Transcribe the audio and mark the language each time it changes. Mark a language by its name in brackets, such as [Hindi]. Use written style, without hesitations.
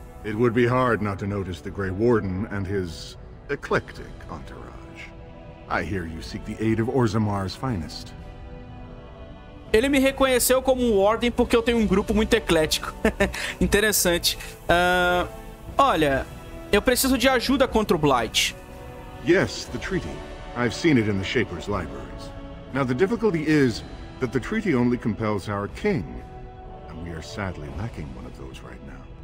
[English] It would be hard not to notice the Grey Warden and his eclectic entourage. I hear you seek the aid of Orzammar's finest. [Portuguese] Ele me reconheceu como um Warden porque eu tenho um grupo muito eclético. Interessante. Olha, eu preciso de ajuda contra o Blight. [English] Yes, the treaty. I've seen it in the Shaper's libraries. Now the difficulty is that the treaty only compels our king. And we are sadly lacking one of those right now.